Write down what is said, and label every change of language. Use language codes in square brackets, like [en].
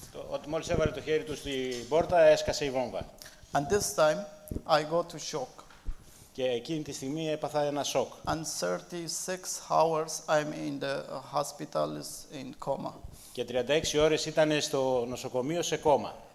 [el] Ότι μόλις έβαλε το χέρι του στην πόρτα, έσκασε η βόμβα. [en] And this time, I got to shock. [el] Και εκείνη τη στιγμή έπαθα ένα σοκ. [en] And 36 hours I'm in the hospital in coma. [el] Και 36 ώρες ήταν στο νοσοκομείο σε κόμα.